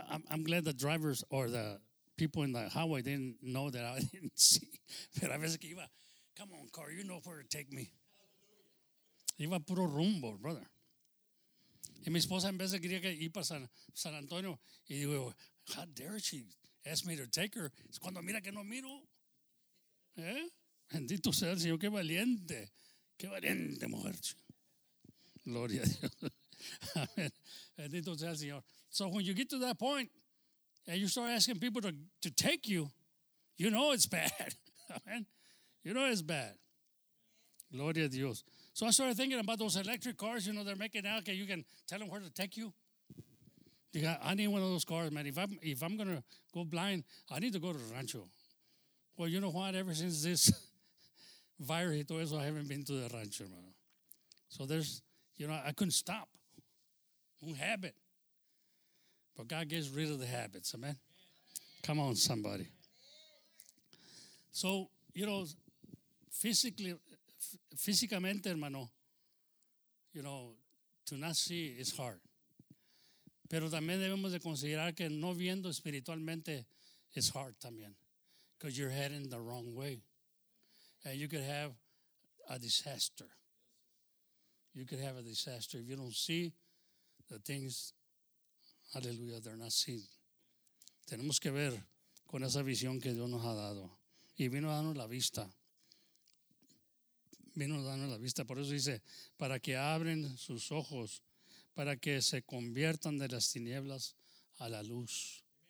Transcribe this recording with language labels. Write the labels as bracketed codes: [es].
[en] I'm glad the drivers or the people in the highway didn't know that I didn't see. [es] Pero a veces que iba, [en] come on, car, you know where to take me. [es] Iba puro rumbo, brother. Y mi esposa en vez de quería ir para San Antonio. Y digo, [en] how dare she ask me to take her? [es] Es cuando mira que no miro. Bendito sea el Señor, qué valiente. Qué valiente, mujer. Gloria a Dios. Amen. Bendito sea el Señor. [en] So when you get to that point and you start asking people to take you, you know it's bad. Amen. You know it's bad. [es] Gloria a Dios. [en] So I started thinking about those electric cars, you know, they're making out that you can tell them where to take you. I need one of those cars, man. If I'm going to go blind, I need to go to the rancho. Well, you know what? Ever since this virus, I haven't been to the rancho, man. So there's, you know, I couldn't stop. Un habit. But God gets rid of the habits, amen? Come on, somebody. So, you know, physically, hermano, you know, to not see is hard. [es] Pero también debemos de considerar que no viendo espiritualmente [en] is hard [es] también. [en] Because you're heading the wrong way. And you could have a disaster. You could have a disaster if you don't see the things, hallelujah, they're not seen. [es] Tenemos que ver con esa visión que Dios nos ha dado. Y vino a darnos la vista. Vino a darnos la vista. Por eso dice, para que abren sus ojos, para que se conviertan de las tinieblas a la luz.